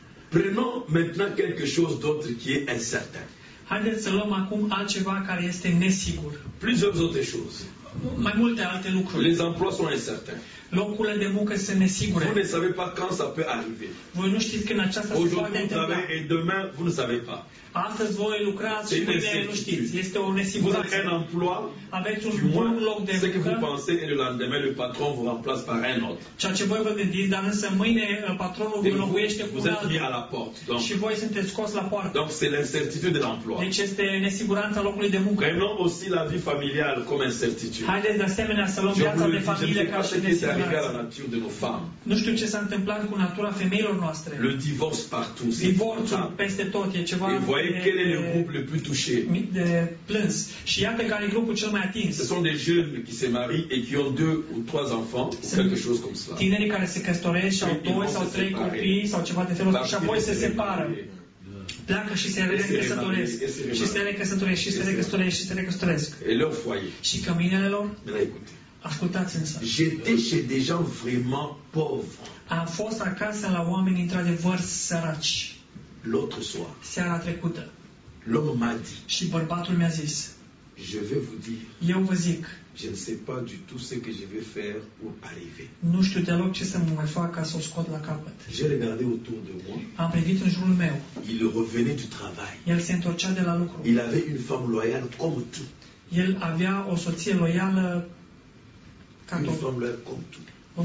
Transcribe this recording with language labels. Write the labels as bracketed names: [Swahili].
[French] Prenons maintenant quelque chose d'autre qui est incertain. [Romanian] Haideți să luăm acum altceva care este nesigur. [French] Plusieurs autres choses. [Romanian] Mai multe alte lucruri. [French] Les emplois sont incertains. [Romanian] Locurile de muncă sunt nesigure. [French] Vous ne savez pas quand ça peut arriver. [Romanian] Voi nu știți când aceasta se poate întâmpla. [French] Et demain, vous ne savez pas. [Romanian] Astăzi voi lucrați și mâine nu știți. Este o nesiguranță. [French] Un emploi, [Romanian] aveți un bun loc de muncă. [French] Ce vous pensez et le lendemain le patron vous remplace par un autre. [Romanian] Ceea ce voi vă gândiți, dar însă mâine patronul [French] vous [Romanian] înlocuiește cu altul. Și voi sunteți scos la poartă. [French] Donc c'est l'incertitude de l'emploi. [Romanian] Deci este nesiguranța locului de muncă. [French] Prenons aussi la vie familiale comme incertitude. [Romanian] Haideți de asemenea să luăm viața de familie ca și nesiguranță. Nu știu ce s-a întâmplat cu natura femeilor noastre. [French] Le divorce partout. [Romanian] Divorțul peste tot e ceva. [French] Quel est le groupe le plus touché? [Romanian] De plâns. Și iată care e grupul cel mai atins. [French] Ce sont des jeunes qui se marient et qui ont deux ou trois enfants, quelque chose comme cela. [Romanian] Tinerii care se căsătoresc și au doi sau trei copii sau ceva de felul ăsta și apoi se separă. Pleacă și se recăsătoresc. Și se recăsătoresc și se recăsătoresc și se recăsătoresc. [French] Et leur foyer. [Romanian] Și căminele lor? Ascultați însă. [French] J'étais chez des gens vraiment pauvres. [Romanian] Am fost acasă la oameni într-adevăr săraci. [French] L'autre soir. [Romanian] Seara trecută. [French] L'homme m'a dit. [Romanian] Și bărbatul mi-a zis. [French] Je vais vous dire. [Romanian] Eu vă zic. [French] Je ne sais pas du tout ce que je vais faire pour arriver. [Romanian] Nu știu deloc ce să mai fac ca să o scot la capăt. [French] J'ai regardé autour de moi. [Romanian] Am privit în jurul meu. [French] Il revenait du travail. [Romanian] El se întorcea de la lucru. [French] Il avait une femme loyale comme tout. [Romanian] El avea o soție loială ca tot. [French] Une femme loyale comme tout.